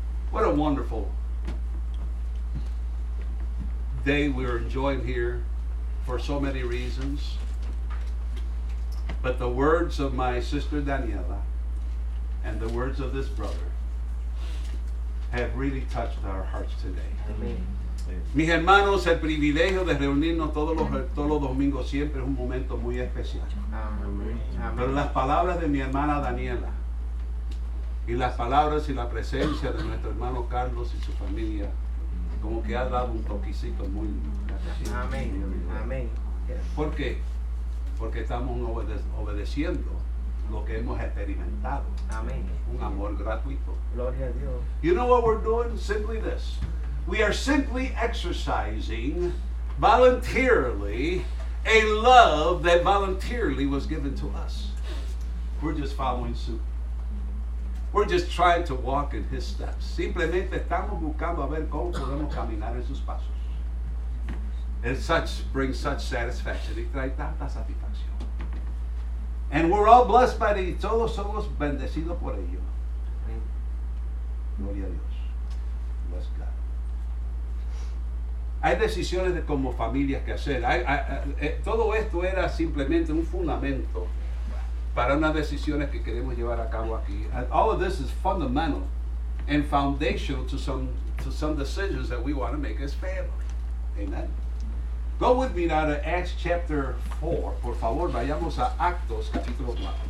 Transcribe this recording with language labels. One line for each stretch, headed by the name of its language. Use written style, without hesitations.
English: What a wonderful day we're enjoying here for so many reasons. But the words of my sister Daniela and the words of this brother have really touched our hearts today. Amen.
Spanish: Mis hermanos, el privilegio de reunirnos todos los domingos siempre es un momento muy especial.
English: Amen.
Spanish: Pero las palabras de mi hermana Daniela y las palabras y la presencia de nuestro hermano Carlos y su familia como que ha dado un toquecito muy... Amén. Amén. ¿Por qué? Porque estamos obedeciendo lo que hemos experimentado. Amén. Un amor gratuito. Gloria a Dios.
English: You know what we're doing? Simply this. We are simply exercising voluntarily a love that voluntarily was given to us. We're just following suit. We're just trying to walk in his steps.
Spanish: Simplemente estamos buscando a ver cómo podemos caminar en sus pasos.
English: And such brings such satisfaction.
Spanish: Y trae tanta satisfacción.
English: And we're all blessed by it.
Spanish: Todos somos bendecidos por ello. Gloria a Dios.
English: Bless God.
Spanish: Hay decisiones de como familias que hacer. Todo esto era simplemente un fundamento para unas decisiones que queremos llevar a cabo aquí.
English: All of this is fundamental and foundational to some decisions that we want to make as family. Amen. Go with me now to Acts chapter 4.
Spanish: Por favor, vayamos a Actos capítulo 4.